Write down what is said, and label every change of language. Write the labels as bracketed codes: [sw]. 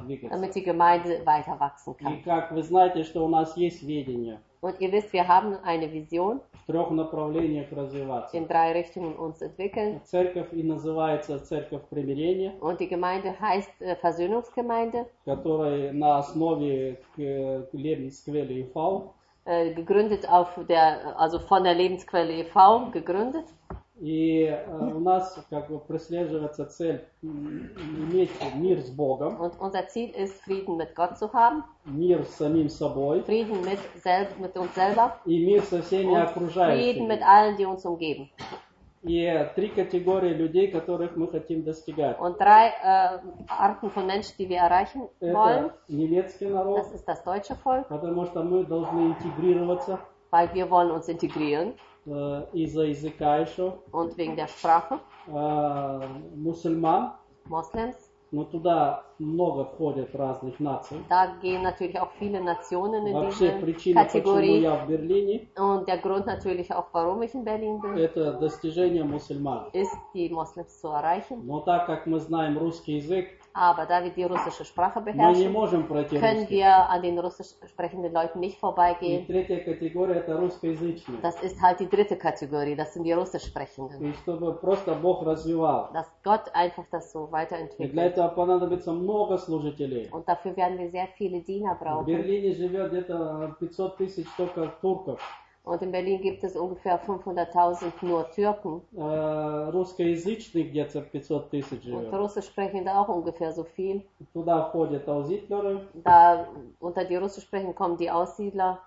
[de] Damit die Gemeinde weiter wachsen kann. [ru] И как вы знаете, что у нас есть видение. [de] Und ihr wisst, wir haben eine Vision. [ru] В трех направлениях развиваться. [de] In drei Richtungen uns entwickeln. [ru] Церковь и называется Церковь примирения. [de] Und die Gemeinde heißt Versöhnungsgemeinde. [ru] Которая на основе Lebensquelle e.V. [de] Gegründet auf der, also von der Lebensquelle e.V. gegründet. [ru] И у нас как бы прослеживается цель иметь мир с Богом. [de] Und unser Ziel ist, Frieden mit Gott zu haben. [ru] Мир с самим собой. [de] Frieden mit mit uns selber. [ru] И мир со всеми [de] und [ru] окружающими. [de] Frieden mit allen, die uns umgeben. [ru] И три категории людей, которых мы хотим достигать. [de] Und drei Arten von Menschen, die wir erreichen wollen. [ru] Это немецкий народ. [de] Das ist das deutsche Volk. [ru] Потому что мы должны интегрироваться. [de] Weil wir wollen uns integrieren. [ru] Из-за языка еще. [de] Und wegen der Sprache. [ru] Мусульман. [de] Muslims. [ru] Но туда много входят разных наций. [de] Da gehen natürlich auch viele Nationen in diese Kategorie. [ru] Почему я в Берлине. [de] Und der Grund natürlich auch, warum ich in Berlin bin. [ru] Это достижение мусульман. [de] Ist, die Muslims zu erreichen. [ru] Но так как мы знаем русский язык, [de] aber da wir die russische Sprache beherrschen, können [ru] русский. [de] Wir an den russisch sprechenden Leuten nicht vorbeigehen. Die dritte Kategorie, [ru] это русскоязычные. [de] Das ist halt die dritte Kategorie, das sind die russisch sprechenden. [ru] И чтобы просто Бог развивал. [de] Dass Gott einfach das so weiterentwickelt. [ru] И для этого понадобится много служителей. [de] Und dafür werden wir sehr viele Diener brauchen. [ru] В Берлине живет где-то 500 тысяч только турков. [de] Und in Berlin gibt es ungefähr 500.000 nur Türken. [ru] Русскоязычных где-то 500 тысяч живет. [de] Und russisch sprechende auch ungefähr so viel. [ru] Туда входят аусидлеры. [de] Da unter die russisch sprechenden kommen die Aussiedler.